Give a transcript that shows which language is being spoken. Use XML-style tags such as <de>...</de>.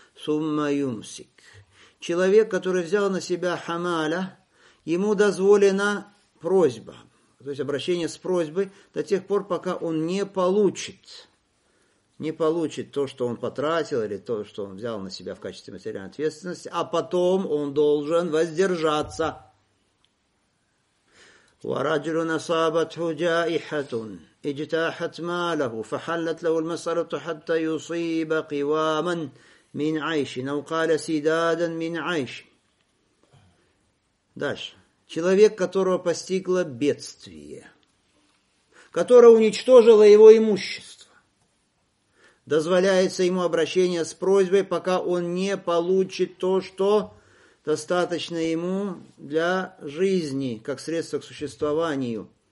<ar>Сумма юмсик.</ar> <ru>Человек, который взял на себя хамаля, ему дозволена просьба, то есть обращение с просьбой до тех пор, пока он не получит то, что он потратил, или то, что он взял на себя в качестве материальной ответственности, а потом он должен воздержаться.</ru> <ar>وَرَجُلُ نَصَابَتْهُ جَائِحَةٌ اِجْتَاحَتْ مَالَهُ فَحَلَّتْ لَهُ الْمَسَرَةُ حَتَّى يُصِيبَ قِوَامًا Мин айши, наукаля сидадан мин айши.</ar> <ru>Дальше. Человек, которого постигло бедствие, которое уничтожило его имущество. дозволяется ему обращение с просьбой, пока он не получит то, что достаточно ему для жизни, как средство к существованию.</ru>